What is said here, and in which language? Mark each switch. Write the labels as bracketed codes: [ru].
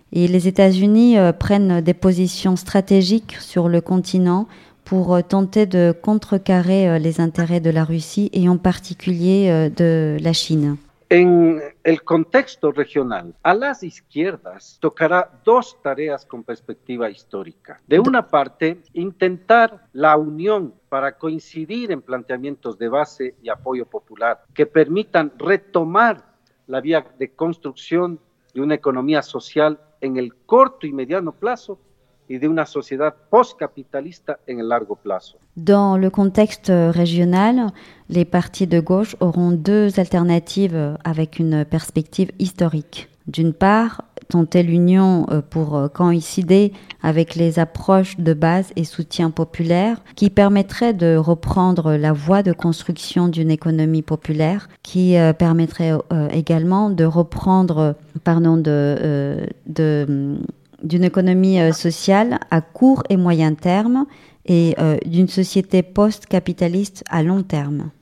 [fr] Et les États-Unis prennent des positions stratégiques sur le continent pour tenter de contrecarrer les intérêts de la Russie et en particulier de la Chine. [es] En el contexto regional, a las izquierdas tocará dos tareas con perspectiva histórica. De una parte, intentar la unión para coincidir en planteamientos de base y apoyo popular que permitan retomar la vía de construcción de una economía social en el corto y mediano plazo y de una sociedad postcapitalista en el largo plazo. [fr] Dans le contexte régional, les partis de gauche auront deux alternatives avec une perspective historique. D'une part, tenter l'union pour coïncider avec les approches de base et soutien populaire qui permettraient de reprendre la voie de construction d'une économie populaire, qui permettrait également de reprendre, d'une économie sociale à court et moyen terme et d'une société post-capitaliste à long terme.